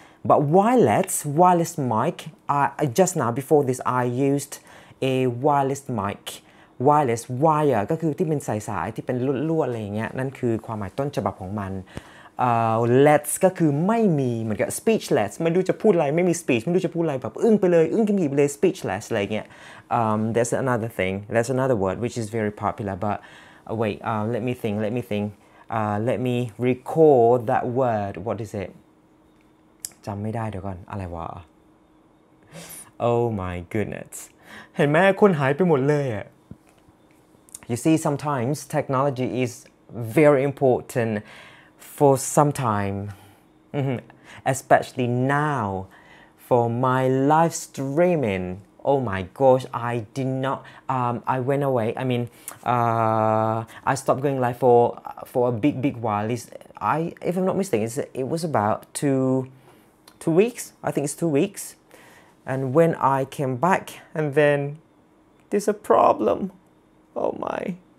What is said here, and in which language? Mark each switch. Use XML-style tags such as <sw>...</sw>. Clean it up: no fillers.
<en>But wireless mic, just now before this I used a wireless mic.</en> <th>Wireless wire ก็คือที่เป็นสายสายที่เป็นลวดๆอะไรเงี้ยนั่นคือความหมายต้นฉบับของมันlets ก็คือไม่มีเหมือนกับ speechless ไม่รู้จะพูดอะไรไม่มี speech ไม่รู้จะพูดอะไรแบบอึ้งไปเลยอึ้งกิมกิบเลย speechless อะไรเงี้ย</th> <en>that's another thing that's another word which is very popular but wait let me think let me recall that word what is it</en> <th>จำไม่ได้เดี๋ยวก่อนอะไรวะ</th> <en>oh my goodness</en> <th>เห็นไหมคนหายไปหมดเลยอ่ะ</th> <en>you see sometimes technology is very importantFor some time, especially now, for my live streaming. Oh my gosh, I did not. I went away. I mean, I stopped going live for a big while. If I'm not mistaken, it was about two weeks. I think it's 2 weeks. And when I came back, and then there's a problem. Oh my.</en>